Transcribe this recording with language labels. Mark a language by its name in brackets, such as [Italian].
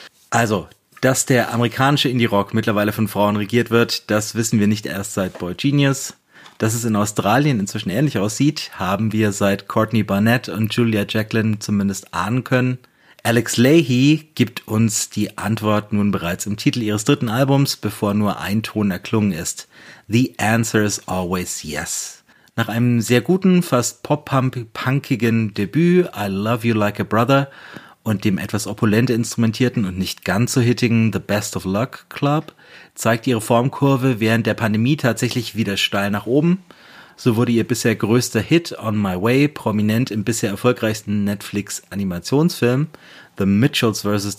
[German] Also, dass der amerikanische Indie-Rock mittlerweile von Frauen regiert wird, das wissen wir nicht erst seit Boy Genius. Dass es in Australien inzwischen ähnlich aussieht, haben wir seit Courtney Barnett und Julia Jacklin zumindest ahnen können. Alex Leahy gibt uns die Antwort nun bereits im Titel ihres dritten Albums, bevor nur ein Ton erklungen ist. [English] The answer is always yes. [German] Nach einem sehr guten, fast pop-punkigen Debüt, I love you like a brother, und dem etwas opulent instrumentierten und nicht ganz so hittigen The Best of Luck Club, zeigt ihre Formkurve während der Pandemie tatsächlich wieder steil nach oben. So wurde ihr bisher größter Hit On My Way prominent im bisher erfolgreichsten Netflix-Animationsfilm The Mitchells vs.